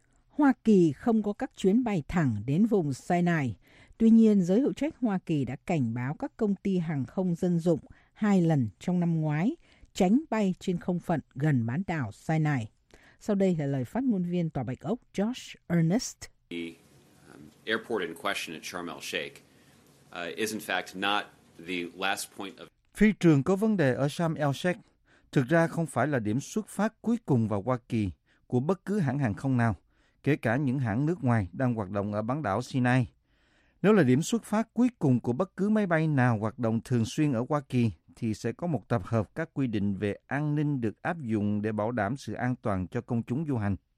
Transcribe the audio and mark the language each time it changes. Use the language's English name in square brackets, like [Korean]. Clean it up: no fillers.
[Vietnamese] Hoa Kỳ không có các chuyến bay thẳng đến vùng Sinai. Tuy nhiên, giới hữu trách Hoa Kỳ đã cảnh báo các công ty hàng không dân dụng hai lần trong năm ngoái tránh bay trên không phận gần bán đảo Sinai. Sau đây là lời phát ngôn viên Tòa Bạch Ốc Josh Earnest. [English] The airport in question at Sharm el-Sheikh is in fact not the last point of... [Vietnamese] Phi trường có vấn đề ở Sharm el-Sheikh thực ra không phải là điểm xuất phát cuối cùng vào Hoa Kỳ của bất cứ hãng hàng không nào, kể cả những hãng nước ngoài đang hoạt động ở bán đảo Sinai. Nếu là điểm xuất phát cuối cùng của bất cứ máy bay nào hoạt động thường xuyên ở Hoa Kỳ, thì sẽ có một tập hợp các quy định về an ninh được áp dụng để bảo đảm sự an toàn cho công chúng du hành.